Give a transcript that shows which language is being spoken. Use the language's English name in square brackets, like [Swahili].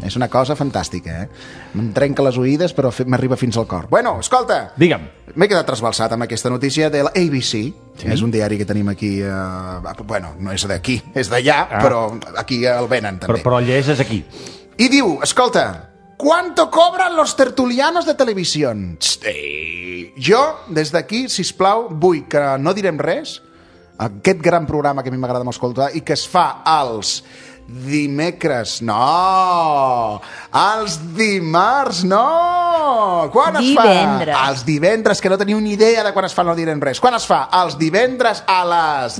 [Catalan] És una cosa fantàstica, Em trenca les oïdes, però m'arriba fins al cor. Bueno, escolta. Digue'm. M'he quedat trasbalsat amb aquesta notícia de l'ABC. Sí. És un diari que tenim aquí... Bueno, no és d'aquí, és d'allà, però aquí el venen, també. Però llegeix és aquí. I diu, escolta, [Spanish] ¿cuánto cobran los tertulianos de televisión? [Catalan] Jo, des d'aquí, sisplau, vull que no direm res, aquest gran programa que a mi m'agrada molt escoltar i que es fa als dimecres, no! Els dimarts, no! Quan es fa? Divendres. Els divendres, que no teniu ni idea de quan es fa, no direm res. Quan es fa? Els divendres a les